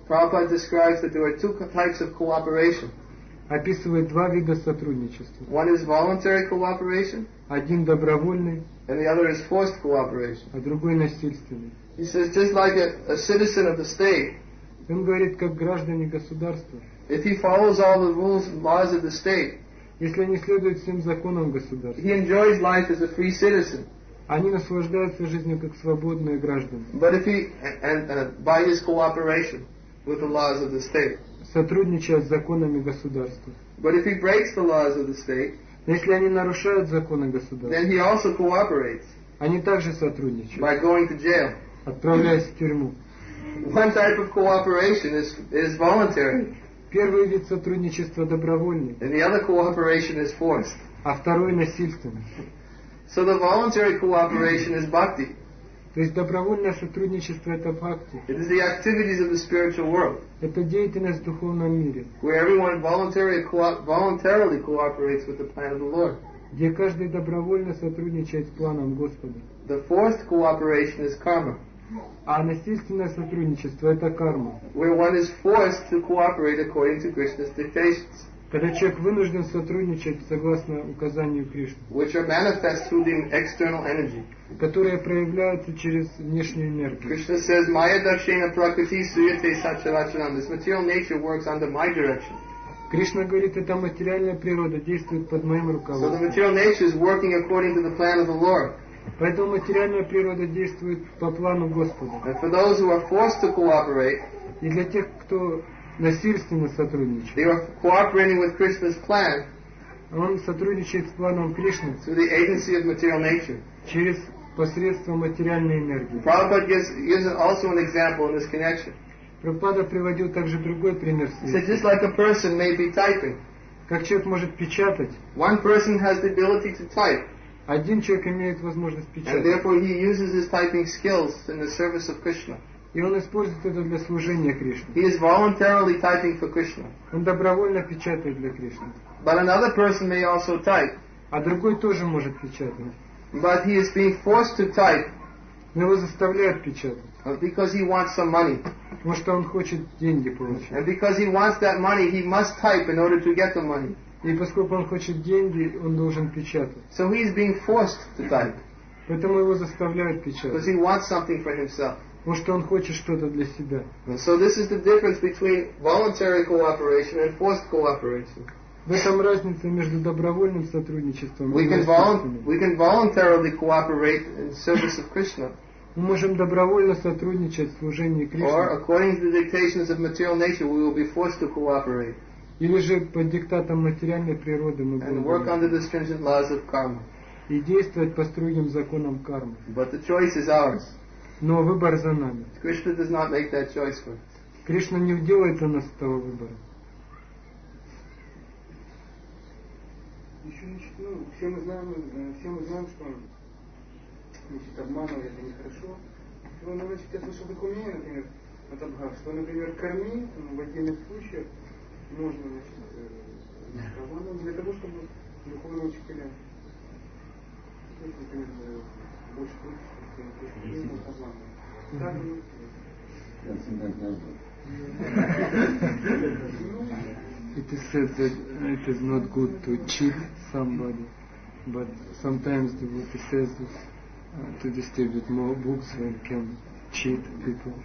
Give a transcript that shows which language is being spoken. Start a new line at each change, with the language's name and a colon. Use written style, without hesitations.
English: Prabhupada describes that there are two types of cooperation.
Russian: Описывает два вида сотрудничества.
English: One is voluntary cooperation,
Russian: один добровольный,
English: and the other is forced cooperation,
Russian: а другой насильственный.
English: He says just like a citizen of the state.
Russian: Он говорит, как граждане государства.
English: If he follows all the rules and laws of the state,
Russian: если они следуют всем законам государства,
English: he enjoys life as a free citizen.
Russian: Они наслаждаются жизнью как свободные граждане.
English: But if he and by his cooperation with the laws of the state,
Russian: сотрудничая с законами государства.
English: But if he breaks the laws of the state,
Russian: если они нарушают законы государства,
English: then he also cooperates.
Russian: Они также сотрудничают.
English: By going to jail,
Russian: отправляясь в тюрьму.
English: One type of cooperation is voluntary.
Russian: Первый вид сотрудничества добровольный.
English: And the other cooperation is forced.
Russian: А второй насильственный.
English: So the voluntary cooperation is bhakti.
Russian: То есть добровольное сотрудничество это бхакти.
English: It is the activities of the spiritual world.
Russian: Это деятельность в духовном мире.
English: Where everyone voluntarily cooperates with the plan of the Lord.
Russian: Где каждый добровольно сотрудничает с планом Господа.
English: The forced cooperation is karma.
Russian: А насильственное сотрудничество это карма.
English: Where one is forced to cooperate according to Krishna's dictations.
Russian: Когда человек вынужден сотрудничать согласно указанию Кришны.
English: Which are manifest through the external energy.
Russian: Которые проявляются через внешнюю энергию.
English: Krishna says,
Sanskrit: Maya darshena prakriti suyate sacharacharam.
English: This material nature works under my direction.
Russian: Кришна говорит, эта материальная природа действует под моим руководством.
English: So the material nature is working according to the plan of the Lord.
Russian: Поэтому материальная природа действует по плану Господа.
English: And for those who are forced to cooperate,
Russian: и для тех, кто насильственно сотрудничает.
English: They are cooperating with Krishna's plan.
Russian: Он сотрудничает с планом Кришны.
English: Through the agency of material nature.
Russian: Через посредством материальной энергии.
English: Prabhupada gives also an example in this connection.
Russian: Прабхупада приводил также другой пример.
English: He said, just like a person may be typing.
Russian: Как человек может печатать?
English: One person has the ability to type.
Russian: Один человек имеет возможность печатать.
English: And therefore he uses his typing skills in the service of Krishna.
Russian: И он использует это для служения Кришне.
English: He is voluntarily typing for Krishna.
Russian: Он добровольно печатает для Кришны.
English: But another person may also type.
Russian: А другой тоже может печатать.
English: But he is being forced to type.
Russian: Но его заставляют печатать.
English: Because he wants some money.
Russian: Потому что он хочет деньги получить.
English: And because he wants that money, he must type in order to get the money.
Russian: И поскольку он хочет деньги, он должен печатать.
English: So he is being forced to type.
Russian: Поэтому его заставляют печатать.
English: Because he wants something for himself.
Russian: Потому что он хочет что-то для себя.
English: So this is the difference between voluntary cooperation and forced cooperation.
Russian: В этом разница между добровольным сотрудничеством и
English: we can voluntarily cooperate in service of Krishna.
Russian: Мы можем добровольно сотрудничать в служении Кришне.
English: Or according to the dictations of material nature, we will be forced to cooperate.
Russian: Или же под диктатом материальной природы мы
English: and work under the stringent laws of karma.
Russian: И действовать по строгим законам кармы.
English: But the choice is ours.
Russian: Но выбор за нами.
English: Krishna does not make that choice for us.
Russian: Кришна не делает для нас этого выбора. Еще не считаю, все мы знаем, что значит, обманывать это нехорошо. Но ну, значит, это чтобы умение, например, от Абхар, что, например, корми ну, в отдельных случаях можно, значит, обманывать для того, чтобы духовные учителя например, больше крутится, что не могут обманывать. Так и
English: It is said that it is not good to cheat somebody, but sometimes the book says to distribute more books and can cheat people.